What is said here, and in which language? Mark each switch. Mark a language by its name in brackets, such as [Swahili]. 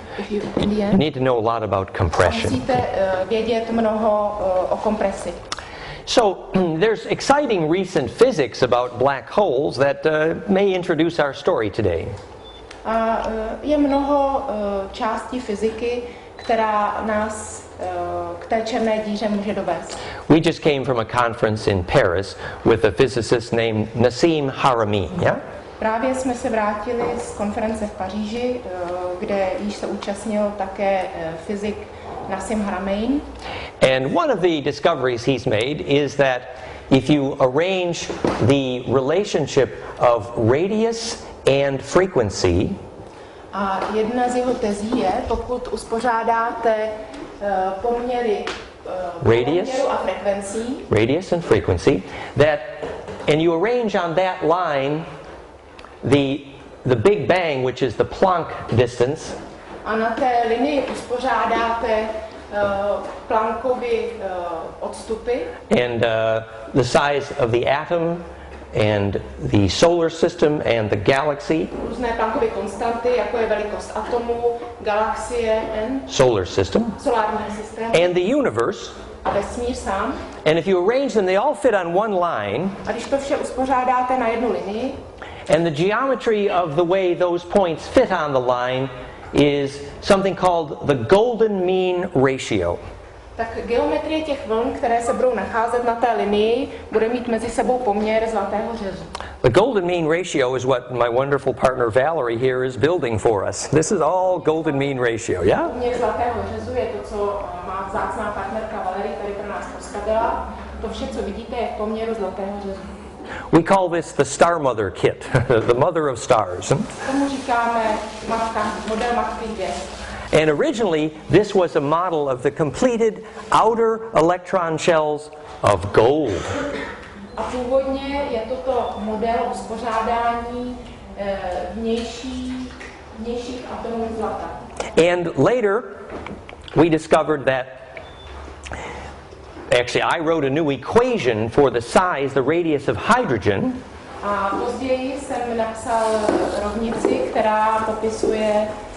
[English] You need to know a lot about compression. [Czech] Musíte vědět mnoho o kompresi. [English] So there's exciting recent physics about black holes that may introduce our story today. [Czech] A je mnoho částí fyziky, která nás k té černé díře může dovést. [English] We just came from a conference in Paris with a physicist named Nassim Haramy. Yeah? [Czech] Právě jsme se vrátili z konference v Paříži, kde již se účastnil také fyzik Nassim Haramy. [English] And one of the discoveries he's made is that if you arrange the relationship of radius and frequency. [Czech] A jedna z jeho tezí je, pokud uspořádáte poměry [English] radius, [Czech] poměru a frekvencí, [English] radius and frequency, that, and you arrange on that line the Big Bang, which is the Planck distance. [Czech] A na té linii uspořádáte Planckovy odstupy. [English] And the size of the atom. And the solar system and the galaxy. [Czech] Různé Planckovy konstanty, jako je velikost atomů, galaxie, and [English] solar system. [Czech] Solární systém. [English] And the universe. [Czech] A vesmír sám. [English] And if you arrange them, they all fit on one line. [Czech] A když to vše uspořádáte na jednu linii. [English] And the geometry of the way those points fit on the line is something called the golden mean ratio. [Czech] Tak geometrie těch vln, které se budou nacházet na té linii, bude mít mezi sebou poměr zlatého řezu. [English] The golden mean ratio is what my wonderful partner Valerie here is building for us. This is all golden mean ratio, yeah? [Czech] Poměr zlatého řezu je to, co má vzácná partnerka Valerie, tady pro nás postavila. To vše, co vidíte, je v poměru zlatého řezu. [English] We call this the star mother kit, the mother of stars. [Czech] Tomu říkáme matka, model matky hvězd. [English] And originally, this was a model of the completed outer electron shells of gold. [Czech] A původně je toto model uspořádání vnějších atomů zlata. [English] And later, we discovered that, actually I wrote a new equation for the size, the radius of hydrogen. [Czech] A později jsem napsal rovnici, která popisuje